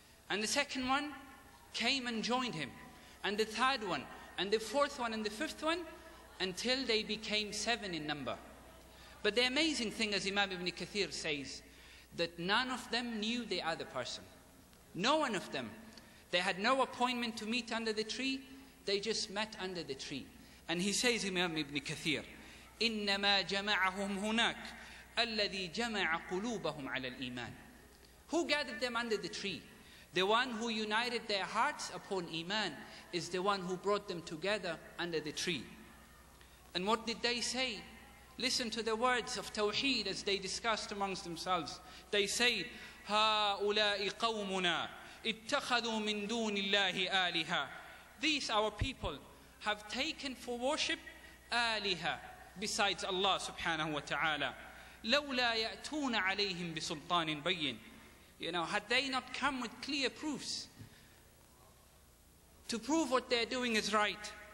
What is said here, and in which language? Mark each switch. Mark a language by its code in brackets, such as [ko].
[en] And the second one came and joined him. And the third one, and the fourth one, and the fifth one, until they became seven in number. But the amazing thing, as Imam Ibn Kathir says, that none of them knew the other person. No one of them. They had no appointment to meet under the tree. They just met under the tree. And he says, Imam Ibn Kathir, [ar] إِنَّمَا جَمَعَهُمْ هُنَاكَ الَّذِي جَمَعَ قُلُوبَهُمْ عَلَى الْإِيمَانِ. [en] Who gathered them under the tree? The one who united their hearts upon Iman is the one who brought them together under the tree. And what did they say? Listen to the words of Tawheed as they discussed amongst themselves. They said, [ar] هَٰؤُلَاءِ قَوْمُنَا اتَّخَذُوا مِن دُونِ اللَّهِ آلِهَا. [en] These our people have taken for worship آلِهَا besides Allah subhanahu wa ta'ala. [ar] لَوْلَا يَأْتُونَ عَلَيْهِم بِسُلْطَانٍ بَيِّنٍ. [en] You know, had they not come with clear proofs to prove what they're doing is right.